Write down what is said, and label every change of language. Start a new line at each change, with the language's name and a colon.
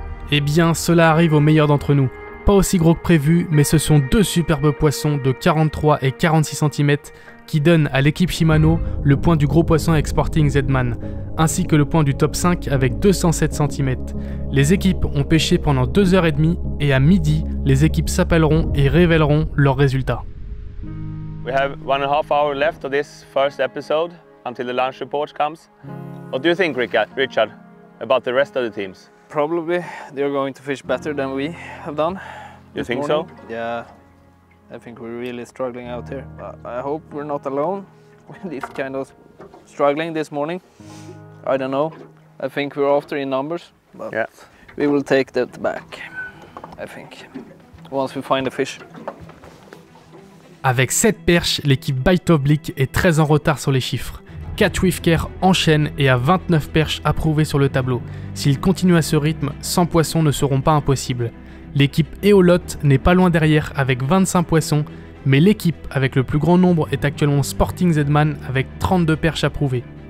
French: Eh bien, cela arrive aux meilleurs d'entre nous. Pas aussi gros que prévu, mais ce sont deux superbes poissons de 43 et 46 cm qui donnent à l'équipe Shimano le point du gros poisson avec Sporting Zedman, ainsi que le point du top 5 avec 207 cm. Les équipes ont pêché pendant 2h30 et à midi, les équipes s'appelleront et révéleront leurs résultats.
English: We have 1.5 hour left of this first episode until the lunch report comes. What do you think, Richard, about the rest of the teams? Probably they're going to fish better than we have done. You think so? Yeah, I think we're really struggling out here. I hope we're not alone with this kind of struggling this morning. I don't know. I think we're after in numbers, but yeah. We will take that back, I think, once we find the fish.
French: Avec 7 perches, l'équipe Bite Oblique est très en retard sur les chiffres. 4 Whiffkers enchaînent et a 29 perches approuvées sur le tableau. S'ils continuent à ce rythme, 100 poissons ne seront pas impossibles. L'équipe Eholotes n'est pas loin derrière avec 25 poissons, mais l'équipe avec le plus grand nombre est actuellement Sporting Zedman avec 32 perches approuvées.